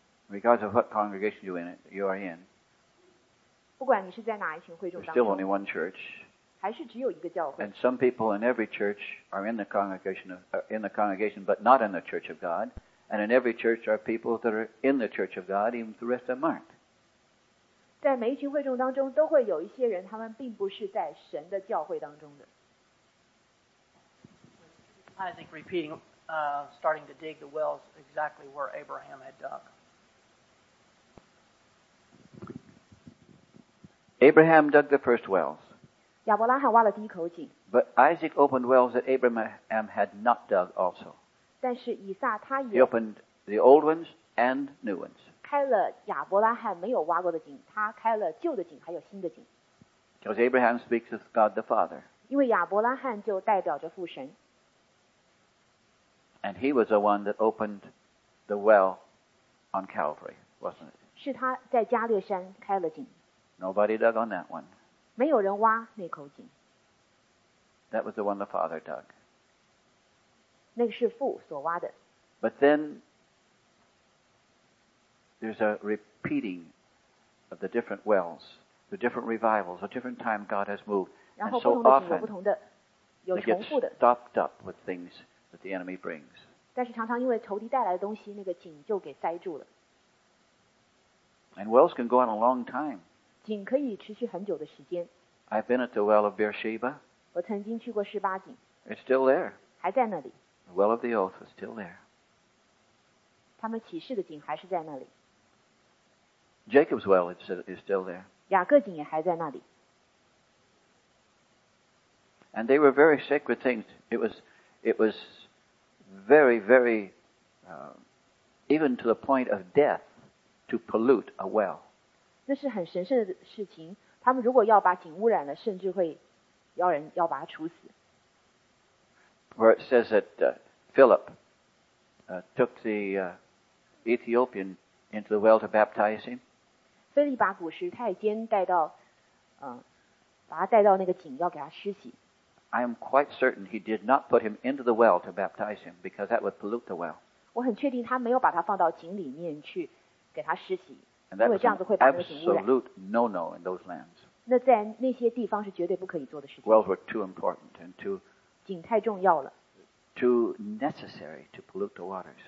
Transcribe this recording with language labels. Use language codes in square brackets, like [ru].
[en] Regardless of what congregation you are in, there's still only one church. And some people in every church are in the congregation, in the congregation but not in the church of God. And in every church are people that are in the church of God, even if the rest of them aren't. [zh] 在每一群会众当中，都会有一些人，他们并不是在神的教会当中的。 [en] Isaac repeating, starting to dig the wells exactly where Abraham had dug. Abraham dug the first wells. [zh] 亚伯拉罕挖了第一口井。 [en] But Isaac opened wells that Abraham had not dug also. [zh] 但是以撒他也。 [en] He opened the old ones and new ones. [zh] 开了亚伯拉罕没有挖过的井，他开了旧的井，还有新的井。 [en] Because Abraham speaks of God the Father. [zh] 因为亚伯拉罕就代表着父神。 [en] And he was the one that opened the well on Calvary, wasn't it? [zh] 是他在加略山开了井。 [en] Nobody dug on that one. [zh] 没有人挖那口井。 [en] That was the one the Father dug. [zh] 那个是父所挖的。 [en] But then. There's a repeating of the different wells, the different revivals, the different time God has moved. And so often, they get stopped up with things that the enemy brings. [zh] 但是常常因为仇敌带来的东西，那个井就给塞住了。 [en] And wells can go on a long time. [zh] 井可以持续很久的时间。 [en] I've been at the well of Beersheba. [zh] 我曾经去过示巴井。 [en] It's still there. [zh] 还在那里。 [en] The well of the oath is still there. [zh] 他们启示的井还是在那里。 [en] Jacob's well is still there. [zh] 雅各井也还在那里。 [en] And they were very sacred things. It was very, very, even to the point of death, to pollute a well. [zh] 那是很神圣的事情。他们如果要把井污染了，甚至会要人要把它处死。 [en] Where it says that Philip took the Ethiopian into the well to baptize him. [zh] 菲利把古时太监带到，把他带到那个井，要给他施洗。 [en] I am quite certain he did not put him into the well to baptize him because that would pollute the well. [zh] 我很确定他没有把他放到井里面去给他施洗，因为这样子会把那个井污染。 [en] Absolute no-no in those lands. [zh] 那在那些地方是绝对不可以做的事情。 [en] Wells were too important and too [zh] 井太重要了。 [en] Too necessary to pollute the waters.